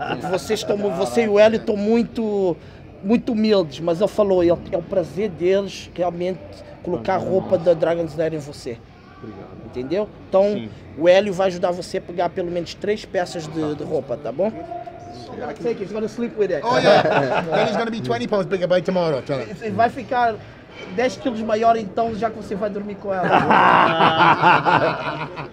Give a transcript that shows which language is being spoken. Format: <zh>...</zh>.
<pt>Porque vocês estão, você e o Elio estão muito muito humildes, mas ele falou, é o prazer deles realmente colocar a roupa da Dragon's Lair em você. Obrigado. Entendeu? Então, sim. O Hélio vai ajudar você a pegar pelo menos três peças de roupa, tá bom?</pt> <en>Take it, he's gonna sleep with it. Oh yeah, then he's gonna be 20 pounds bigger by tomorrow. Tell him.</en> <pt>Ele vai ficar 10 quilos maior então, já que você vai dormir com ela.</pt>